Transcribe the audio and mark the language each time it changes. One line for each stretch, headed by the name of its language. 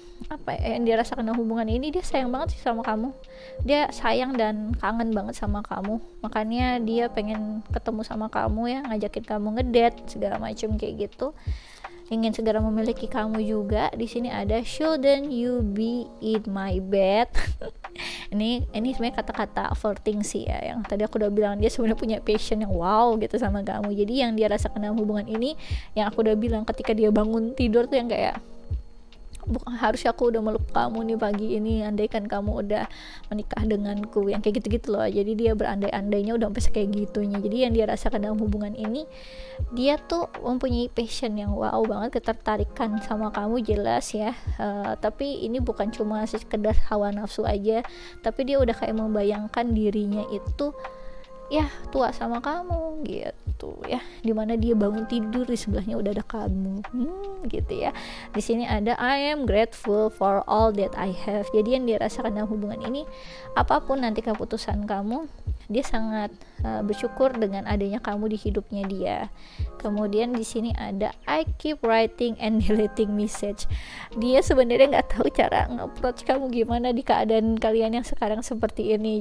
Indonesian: Apa ya, yang dia rasakan dalam hubungan ini, dia sayang banget sih sama kamu, dia sayang dan kangen banget sama kamu, makanya dia pengen ketemu sama kamu ya, ngajakin kamu ngedate segala macam kayak gitu, ingin segera memiliki kamu juga. Di sini ada
English: shouldn't you be in my bed.
Indonesian: ini sebenarnya kata-kata flirting sih ya, yang tadi aku udah bilang dia sebenarnya punya passion yang wow gitu sama kamu. Jadi yang dia rasakan dalam hubungan ini, yang aku udah bilang ketika dia bangun tidur tuh yang kayak bukan harusnya aku udah meluk kamu nih pagi ini, andaikan kamu udah menikah denganku, yang kayak gitu-gitu loh. Jadi dia berandai-andainya udah sampai kayak gitunya. Jadi yang dia rasakan dalam hubungan ini, dia tuh mempunyai passion yang wow banget, ketertarikan sama kamu jelas ya, tapi ini bukan cuma sekedar hawa nafsu aja, tapi dia udah kayak membayangkan dirinya itu ya tua sama kamu gitu ya, dimana dia bangun tidur di sebelahnya udah ada kamu, gitu ya. Di sini ada
English: I am grateful for all that I have.
Indonesian: Jadi yang dia rasakan dalam hubungan ini, apapun nanti keputusan kamu, dia sangat bersyukur dengan adanya kamu di hidupnya dia. Kemudian di sini ada
English: I keep writing and deleting message.
Indonesian: Dia sebenarnya nggak tahu cara nge-approach kamu gimana di keadaan kalian yang sekarang seperti ini.